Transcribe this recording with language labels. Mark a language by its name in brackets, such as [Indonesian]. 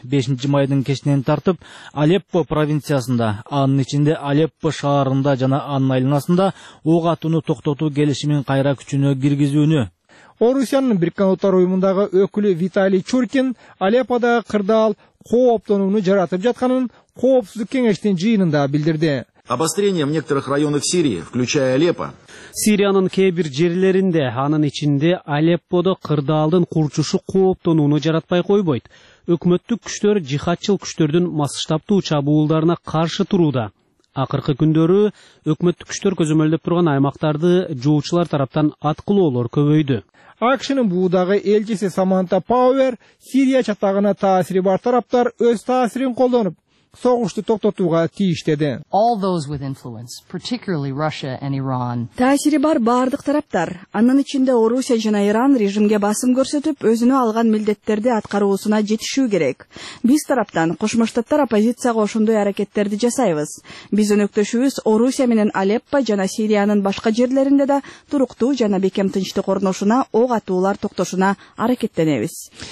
[Kyrgyz] 5 майдын кечинен тартып Алеппо провинциясында, анын ичинде Алеппо шаарында жана анын айланасында ок атууну токтотуу келишимин кайра күчүнө киргизүүнү. Орусиянын Бириккен Улуттар Уюмундагы өкүлү Виталий Чуркин Алепподагы кырдаал кооптонууну жаратып жатканын коопсуздук кеңештин жыйынында билдирди. [Russian] Обострением некоторых районов Сирии, включая Алеппо. [Kyrgyz] Сириянын кээ бир жерлеринде, анын ичинде Алепподо кырдаалдын курчушу кооптонууну жаратпай койбойт. Өкмөттүк күчтөр жихатчыл күчтөрдүн масштабтуу чабуулдарына каршы турууда. Акыркы күндөрү өкмөттүк күчтөр көзөмөлдөп турган аймактарды жоочулар тараптан аткылоолор көбөйдү. АКШнын буудагы элчиси Саманта Пауэр Сирия чатагына таасири бар тараптар өз таасирин колдонуп согушту токтотууга тийиш деди. [English] All those with influence, particularly Russia and Iran. [Kyrgyz] Таасири бар бардык тараптар, анын ичинде Орусия жана Иран режимге басым көрсөтүп, өзүнө алган милдеттерди аткаруусуна жетишүү керек. Биз тараптан Кошмо Штаттар оппозицияга ошондой аракеттерди жасайбыз. Биз өнөктөшүбүз Орусия менен Алеппо жана Сириянын башка жерлеринде да туруктуу жана бекем тынчтык орношуна ок атуулар токтошуна аракеттенебиз.